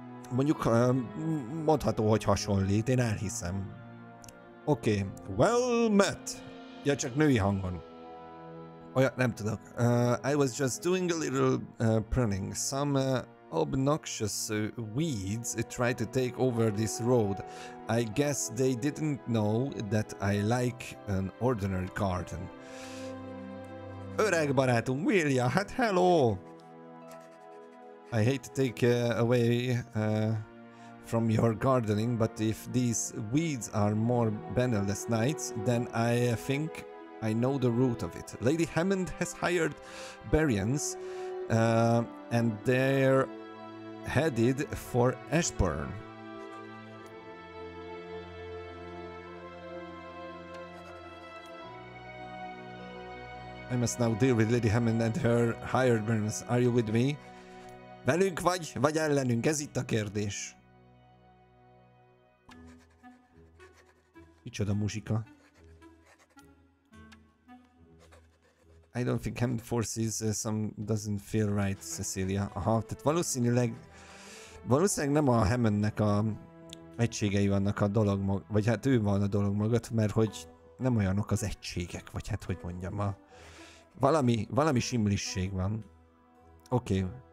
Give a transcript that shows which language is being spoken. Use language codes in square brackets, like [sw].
[hu] Mondjuk mondható, hogy hasonlít, én elhiszem. Oké, okay. [en] Well met. [hu] Ja, csak női hangon. Olyan, nem tudok. [en] I was just doing a little pruning. Some obnoxious weeds tried to take over this road. I guess they didn't know that I like an ordinary garden. [hu] Öreg barátunk, Willia, hát hello! [en] I hate to take away from your gardening, but if these weeds are more banal as nights, then I think I know the root of it. Lady Hammond has hired Barians, and they're headed for Ashburn. I must now deal with Lady Hammond and her hired Barians. Are you with me? [hu] Velünk vagy, vagy ellenünk? Ez itt a kérdés. Micsoda muzsika. [en] I don't think Hammond forces some doesn't feel right, Cecilia. [hu] Aha, tehát valószínűleg nem a Hammondnek a egységei vannak a dolog, vagy hát ő van a dolog magad, mert hogy nem olyanok az egységek, vagy hát hogy mondjam, a valami simlisség van. Oké. Okay.